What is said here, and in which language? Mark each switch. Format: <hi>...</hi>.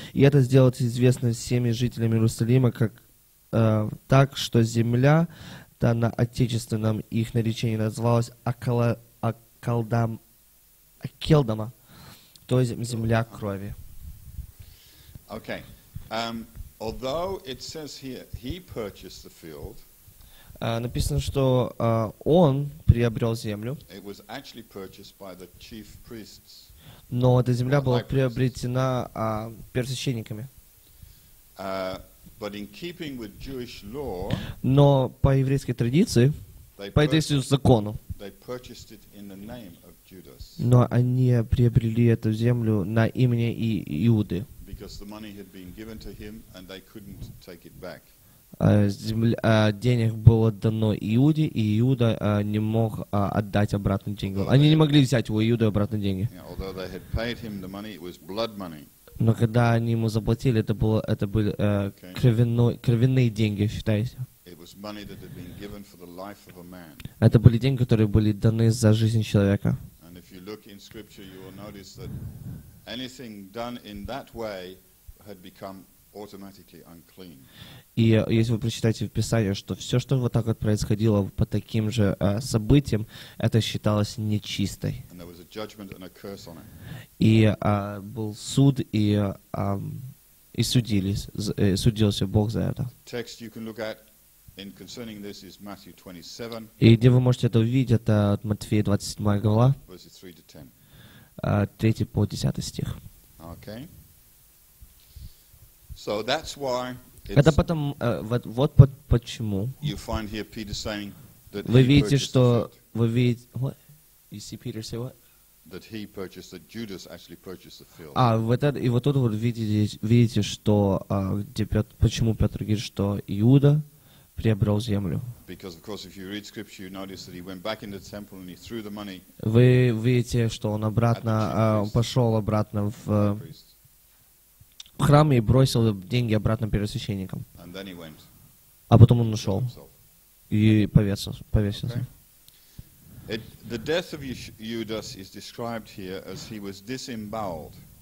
<ru>И это сделалось известно всеми жителями Иерусалима, как так, что земля, та на отечественном их наречении, называлась Акелдама, то есть земля крови.</ru> <en>Okay. Although it says here he purchased the field.</en> <ru>Написано, что он приобрел землю.</ru> <en>It was actually purchased by the chief priests.</en> <ru>Но эта земля была приобретена первосвященниками.</ru> <en>But in keeping with Jewish law.</en> <ru>Но по еврейской традиции, по еврейскому закону.</ru> <en>They purchased it in the name of Judas.</en> <ru>Но они приобрели эту землю на имя Иуды.</ru> <en>Because the money had been given to him, and they couldn't take it back.</en> <ru>Денег было дано Иуде, и Иуда не мог отдать обратно деньги. Они не могли взять у Иуды обратно деньги.</ru> <en>Although they had paid him the money, it was blood money.</en> <ru>Но когда они ему заплатили, это были кровяные деньги, считайте.</ru> <en>It was money that had been given for the life of a man.</en> <ru>Это были деньги, которые были даны за жизнь человека.</ru> <en>And if you look in Scripture, you will notice that. Anything done in that way had become automatically unclean.</en> <ru>И если вы прочитаете в Писании, что все, что вот так вот происходило по таким же событиям, это считалось нечистой.</ru> <en>And there was a judgment and a curse on it.</en> <ru>И был суд, и судился Бог за это.</ru> <en>Text you can look at in concerning this is Matthew 27.</en> <ru>И где вы можете это увидеть, это от Матфея 27 глава.</ru> <en>Verses 3 to 10.</en> <ru>3 по 10 стих.</ru> <en>Okay. So that's why</en> <ru>это потом, вот почему</ru> <en>you find here Peter saying that</en> <ru>вы видите, что вы видите,</ru> <en>what? You see Peter say what? That he purchased, that Judas actually purchased the field.</en> <ru>А, вот это, и вот тут вот видите, что где Петр, почему Петр говорит, что Иуда приобрел землю.</ru> <en>Because of course, if you read scripture, you notice that he went back into the temple and he threw the money.</en> <ru>Вы видите, что он обратно пошел обратно в храм и бросил деньги обратно первосвященникам.</ru> <en>And then he went.</en> <ru>А потом он ушел и повесился.</ru> <en>The death of Judas is described here as he was disemboweled.</en>